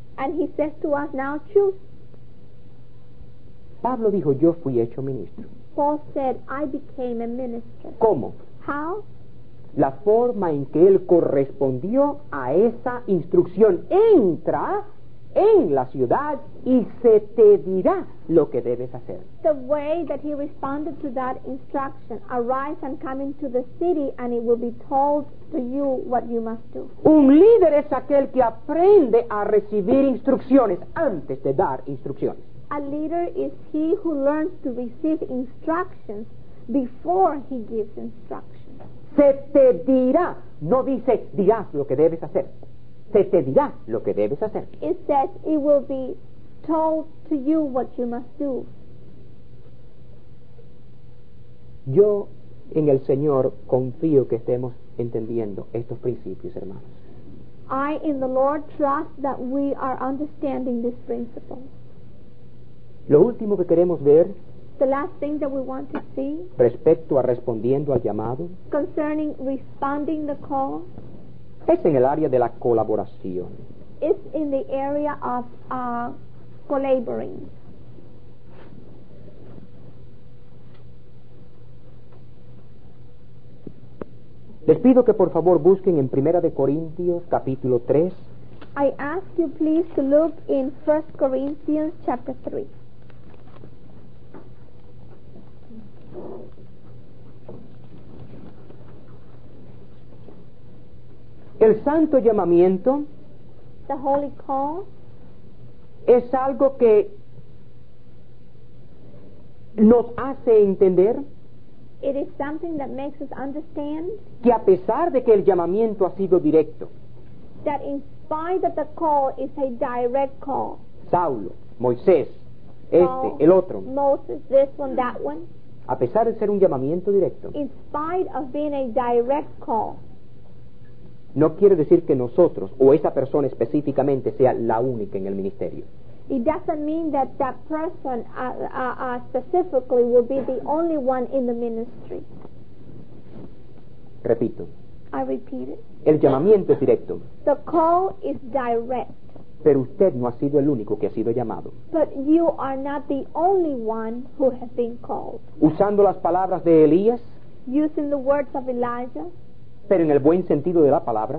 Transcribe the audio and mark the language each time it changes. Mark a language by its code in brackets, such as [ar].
[en] And he says to us, now choose. [es] Pablo dijo, yo fui hecho ministro. [en] Paul said, I became a minister. [es] ¿Cómo? [en] How? [es] La forma en que él correspondió a esa instrucción. Entra en la ciudad y se te dirá lo que debes hacer. [en] The way that he responded to that instruction, arise and come into the city and it will be told to you what you must do. [es] Un líder es aquel que aprende a recibir instrucciones antes de dar instrucciones. [en] A leader is he who learns to receive instructions before he gives instructions. [es] Se te dirá, no dice dirás lo que debes hacer. Se te dirá lo que debes hacer. [en] It says it will be told to you what you must do. [es] Yo en el Señor confío que estemos entendiendo estos principios, hermanos. [en] I in the Lord trust that we are understanding this principle. [es] Lo último que queremos ver, [en] the last thing that we want to see, [es] respecto a respondiendo al llamado, [en] concerning responding the call, [es] es en el área de la colaboración. [en] It's in the area of collaborating. [es] Les pido que por favor busquen en Primera de Corintios capítulo 3. [en] I ask you please to look in 1 Corinthians chapter 3. [es] El santo llamamiento, [en] the holy call, [es] es algo que nos hace entender, [en] It is something that makes us understand [es] que a pesar de que el llamamiento ha sido directo, [en] that in spite of the call is a direct call. [es] Saulo, Moisés, este, el otro. [en] Moses, this one, that one. [es] A pesar de ser un llamamiento directo, [en] in spite of being a direct call, [es] no quiere decir que nosotros o esa persona específicamente sea la única en el ministerio. [en] It doesn't mean that that person specifically will be the only one in the ministry. [es] Repito. [en] I repeat it. [es] El llamamiento es directo. [en] The call is direct. [es] Pero usted no ha sido el único que ha sido llamado. [en] But you are not the only one who has been called. [es] Usando las palabras de Elías. [en] Using the words of Elijah. [es] Pero en el buen sentido de la palabra.